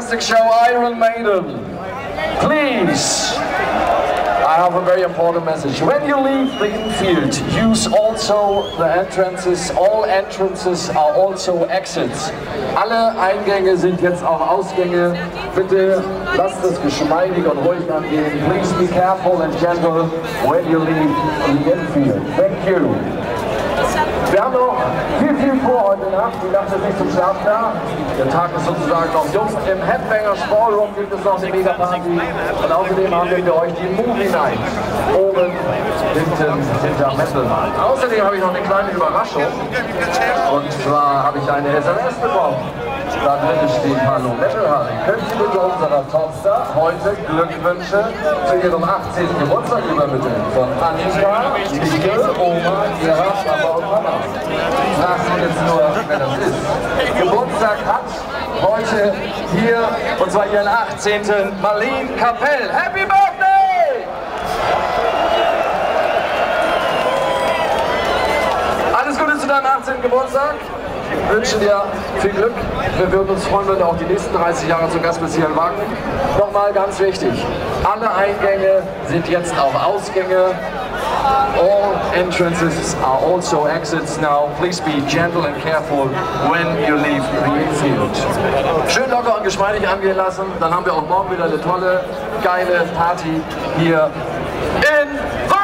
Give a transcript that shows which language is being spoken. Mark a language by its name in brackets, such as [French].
[English] Show Iron Maiden, please, I have a very important message. When you leave the infield, use also the entrances. All entrances are also exits. [German] Alle Eingänge sind jetzt auch Ausgänge. Bitte lasst das geschmeidig und ruhig angehen. [English] Please be careful and gentle when you leave the infield. Thank you. [German] Wir haben noch viel, viel vor heute Nacht. Die Nacht ist nicht zum Schlaf da. Der Tag ist sozusagen noch jung. Im Headbangers Ballroom gibt es noch die Megaparty. Und außerdem haben wir für euch die Movie Night. Oben, hinten, hinter Metal. Außerdem habe ich noch eine kleine Überraschung. Und zwar habe ich eine SMS bekommen. Da drin steht Hallo Metalhardy. Könnt ihr bitte unserer Tochter heute Glückwünsche zu ihrem 18. Geburtstag übermitteln? Von Annika, Nike, Oma, Vera, Papa und Mama. Fragt sie jetzt nur, wer das ist. Geburtstag hat heute hier, und zwar ihren 18. [English] Marlene Kapell. Happy Birthday! [German] Alles Gute zu deinem 18. Geburtstag. Wir wünschen dir viel Glück. Wir würden uns freuen, wenn du auch die nächsten 30 Jahre zum Gast bist hier in Wacken. Nochmal ganz wichtig, alle Eingänge sind jetzt auch Ausgänge. [English] All entrances are also exits now. Please be gentle and careful when you leave the infield. [German] Schön locker und geschmeidig angehen lassen. Dann haben wir auch morgen wieder eine tolle, geile Party hier in